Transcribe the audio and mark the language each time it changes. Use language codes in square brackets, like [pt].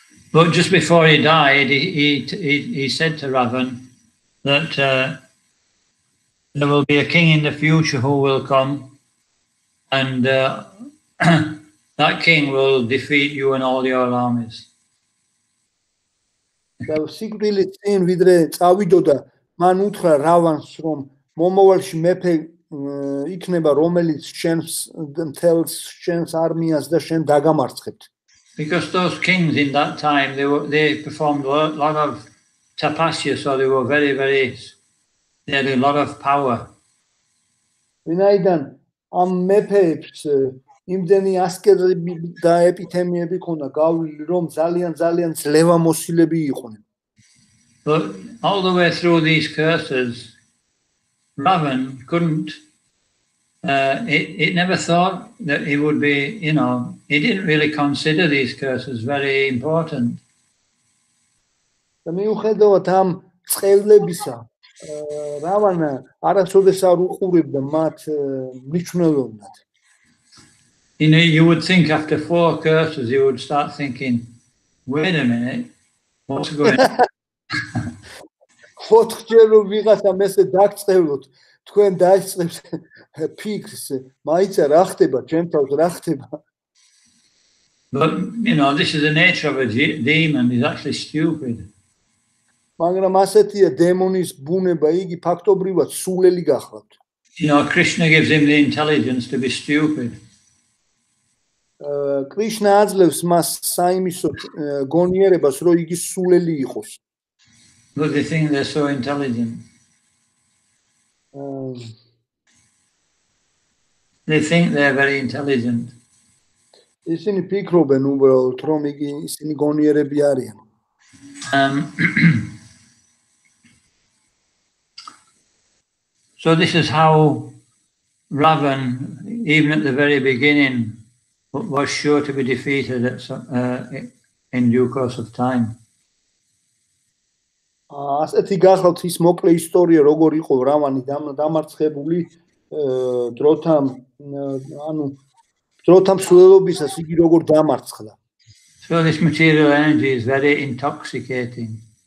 [en] But just before he died, he said to Ravan that there will be a king in the future who will come, and that king will defeat you and all your armies. [ka] და სიკვდილის წინ ვიდრე წავიდოდა, მან უთხრა რავანს, რომ მომავალში მეფე იქნება, რომელიც შენს მთელს, შენს არმიას და შენ დაგამარცხებთ. [en] Because those kings in that time, they performed a lot of tapasya, so they were very, very, they had a lot of power. [ka] ვინაიდან ამ მეფეებს იმდენი ასკეზები და ეპითემიები ჰქონდა გავლილი, რომ ძალიან, ძალიან ძლევამოსილები იყვნენ. [en] But all the way through these curses, Ravan couldn't, he never thought that he would be, you know, he didn't really consider these curses very important. [ka] და მიუხედავად ამ წყევლებისა, რავანა არასოდეს არ უყურებდა მათ მნიშვნელოვნად. [en] You know, you would think after four curses, you would start thinking, wait a minute, what's going on? [ka] ხოთხჯერო ვიღაცა მესე დაგწევლოთ, თქვენ დაიწყებთ ფიქს, მაიცა რა ხდება, ჩემ თავს რა ხდება. [en] But, you know, this is the nature of a demon, he's actually stupid. [ka] მაგრამ ასეთია დემონის ბუნება, იგი ფაქტობრივად სულელი გახლავთ. [en] You know, Krishna gives him the intelligence to be stupid. [ka] Krishna აძლევს მას საიმისო გონიერებას, რომ იგი სულელი იყოს. [en] But they think they're so intelligent. They think they're very intelligent. [ka] ისინი ფიქრობენ უბრალოდ, რომ იგი ისინი გონიერები არიან. [en] So this is how Ravan, even at the very beginning, was sure to be defeated at some, in due course of time. [ka] ასეთი გახლავთ ის მოკლე ისტორია, როგორ იყო რავანი დამარცხებული დროთა მსვლელობისას, იგი როგორ დამარცხდა. [en] So this material energy is very intoxicating.